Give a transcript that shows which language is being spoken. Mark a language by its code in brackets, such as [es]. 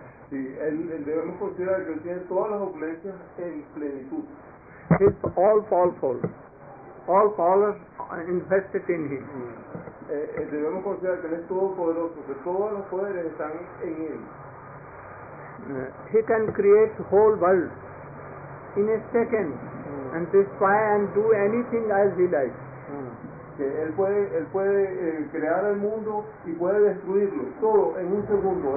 [es] Sí, él debemos considerar que él tiene todas las opulencias en plenitud. [en] He's all powerful. All powers invested in him. [es] Debemos considerar que él es todo poderoso, que todos los poderes están en él. [en] He can create whole world in a second and destroy and do anything as he likes. [es] Él puede crear el mundo y puede destruirlo todo en un segundo.